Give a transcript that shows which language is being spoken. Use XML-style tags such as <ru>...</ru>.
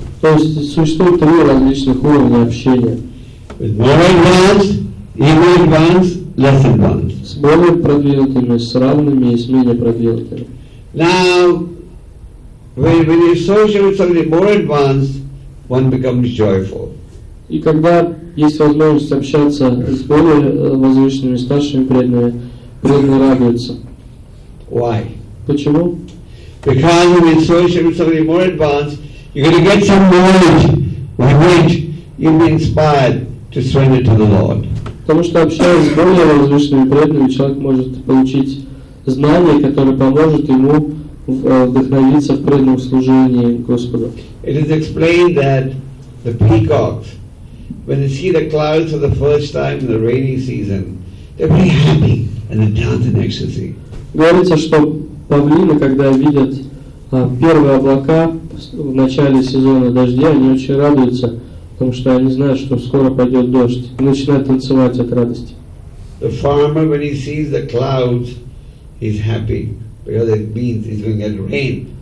<ru>То есть существует три различных уровня общения.</ru> <en>With more advanced, equally advanced, less advanced.</en> <ru>С более продвинутыми, с равными и с менее продвинутыми.</ru> <en>Now, when you associate with somebody more advanced, one becomes joyful.</en> <ru>И когда есть возможность общаться с более возвышенными старшими преданными, преданные радуются.</ru> <en>Why?</en> <ru>Почему?</ru> <en>Because when you associate with somebody more advanced, you're going to get some knowledge by which you'll be inspired to surrender to the Lord.</en> <ru>Потому что общаясь с более возвышенными преданными, человек может получить знание, которое поможет ему вдохновиться в преданном служении Господу.</ru> <en>It is explained that the peacocks, when they see the clouds for the first time in the rainy season, they're very happy and they dance in ecstasy.</en> <ru>Говорится, что павлины, когда видят первые облака в начале сезона дождя, они очень радуются, потому что они знают, что скоро пойдет дождь, и начинают танцевать от радости.</ru> <en>The farmer, when he sees the clouds, he's happy because it means he's going to get rain.</en>